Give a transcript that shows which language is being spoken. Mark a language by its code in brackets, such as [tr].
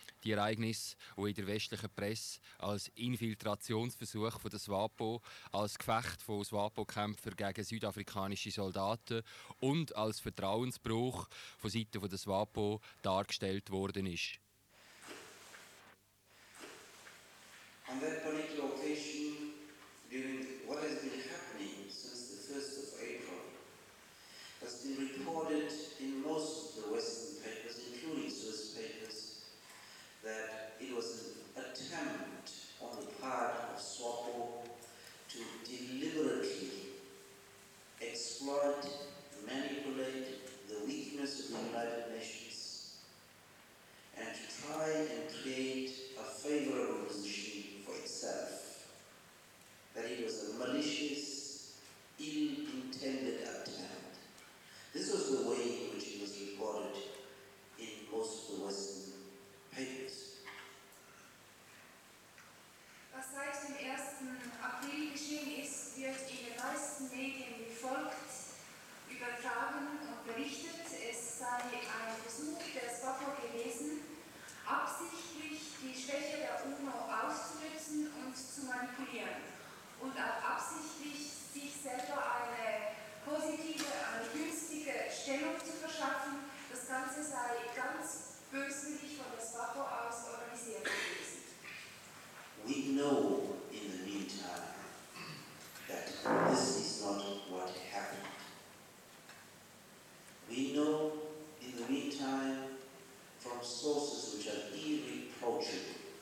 [de] Die Ereignisse, die in der westlichen Presse als Infiltrationsversuch von der SWAPO, als Gefecht von SWAPO-Kämpfern gegen südafrikanische Soldaten und als Vertrauensbruch von Seiten der SWAPO dargestellt worden ist. [en] On that particular occasion, during what has been happening since the 1st of April, has been reported in most of the Western papers, including Swiss papers, that it was an attempt on the part of SWAPO to deliberately exploit, manipulate the weakness of the United Nations and to try and create a favorable position itself, that it was a malicious, ill-intended attempt. This was the way in which it was reported in most of the Western papers. [de] Was seit dem 1. April geschehen ist, wird in den meisten Medien wie folgt übertragen und berichtet. Es sei ein Versuch der SWAPO gewesen, absichtlich die Schwäche der UNO auszunutzen und zu manipulieren und auch absichtlich sich selber eine positive, eine günstige Stellung zu verschaffen. Das Ganze sei ganz böswillig von der SWAPO aus organisiert gewesen. [en] We know in the meantime that this is not what happened. We know in the meantime from sources which are irreproachable.